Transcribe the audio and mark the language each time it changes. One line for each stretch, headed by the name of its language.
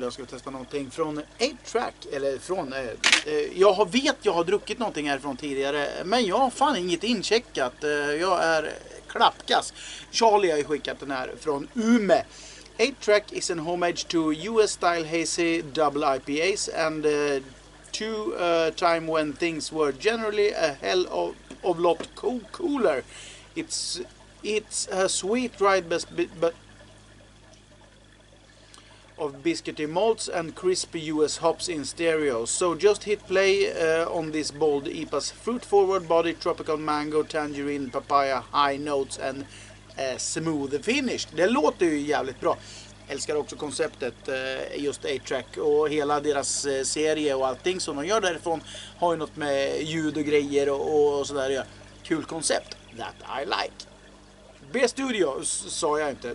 Swedish: Jag ska testa någonting från 8-Track. Eller från... jag har druckit någonting härifrån tidigare. Men jag har fan inget incheckat. Jag är klappkass. Charlie har ju skickat den här från Ume.
English: 8-Track is an homage to US style hazy double IPAs and to a time when things were generally a hell of a lot cooler. It's a sweet ride best of biscuity malts and crispy US hops in stereo. So just hit play on this bold IPA's fruit forward body, tropical mango, tangerine, papaya, high notes and smooth finish.
Swedish: Det låter ju jävligt bra. Älskar också konceptet just 8-Track och hela deras serie och allting som de gör därifrån. Har ju något med ljud och grejer och sådär. Ja. Kul koncept.
English: That I like.
Swedish: B-Studio sa jag inte.